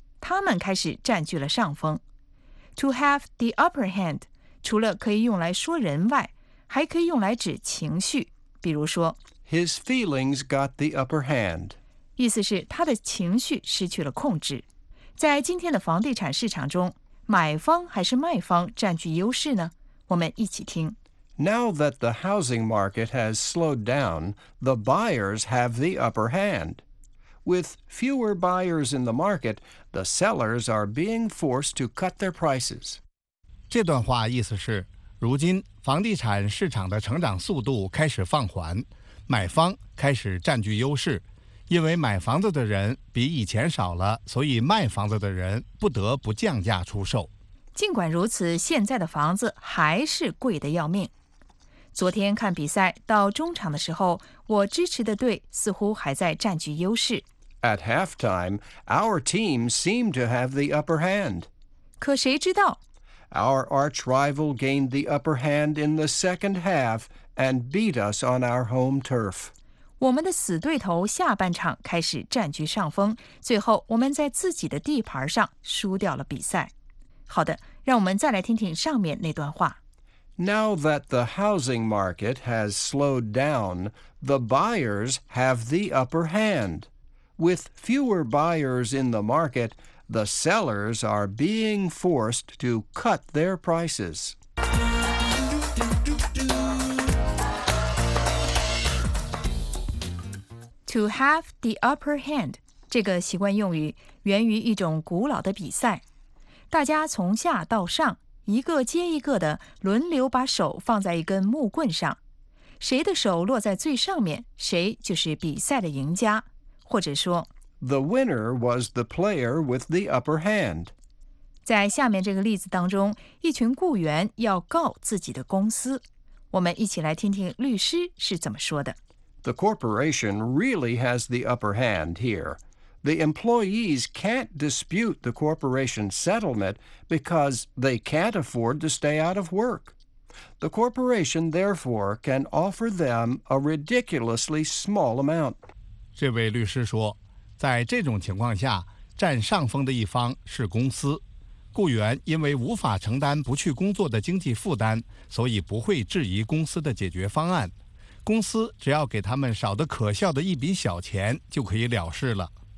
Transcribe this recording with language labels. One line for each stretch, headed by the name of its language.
Chinese: 他们开始占据了上风。
English: To have the upper hand
Chinese: 除了可以用来说人外，还可以用来指情绪，比如说
English: His feelings got the upper hand
Chinese: 意思是他的情绪失去了控制。在今天的房地产市场中，买方还是卖方占据优势呢？我们一起听。
English: Now that the housing market has slowed down, the buyers have the upper hand. With fewer buyers in the market, the sellers are being forced to cut their prices.
Chinese: 这段话意思是，如今房地产市场的成长速度开始放缓，买方开始占据优势。因为买房子的人比以前少了，所以卖房子的人不得不降价出售。尽管如此，现在的房子还是贵得要命。昨天看比赛，到中场的时候，我支持的队似乎还在占据优势。
English: At halftime, our team seemed to have the upper hand.
Chinese: 可谁知道?
English: Our arch rival gained the upper hand in the second half and beat us on our home turf.
Chinese: 我们的死对头下半场开始占据上风，最后我们在自己的地盘上输掉了比赛。好的，让我们再来听听上面那段话。
English: Now that the housing market has slowed down, the buyers have the upper hand. With fewer buyers in the market, the sellers are being forced to cut their prices.
Chinese: 嘟嘟嘟嘟嘟
English: To have the upper hand,
Chinese: 这个习惯用语源于一种古老的比赛。大家从下到上，一个接一个的轮流把手放在一根木棍上，谁的手落在最上面，谁就是比赛的赢家，或者说
English: The winner was the player with the upper hand.
Chinese: 在下面这个例子当中，一群雇员要告自己的公司，我们一起来听听律师是怎么说的。
English: The corporation really has the upper hand here. The employees can't dispute the corporation's settlement because they can't afford to stay out of work. The corporation, therefore, can offer them a ridiculously small amount.
Chinese: 这位律师说，在这种情况下，占上风的一方是公司。雇员因为无法承担不去工作的经济负担，所以不会质疑公司的解决方案。公司只要给他们少得可笑的一笔小钱就可以了事了。